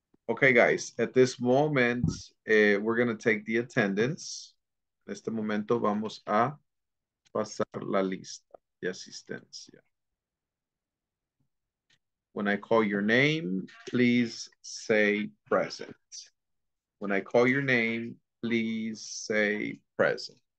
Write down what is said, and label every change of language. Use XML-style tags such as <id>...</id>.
<en>Okay, guys, at this moment, we're going to take the attendance.</en> <es>En este momento vamos a pasar la lista de asistencia.</es> <en>When I call your name, please say present. When I call your name, please say present.</en>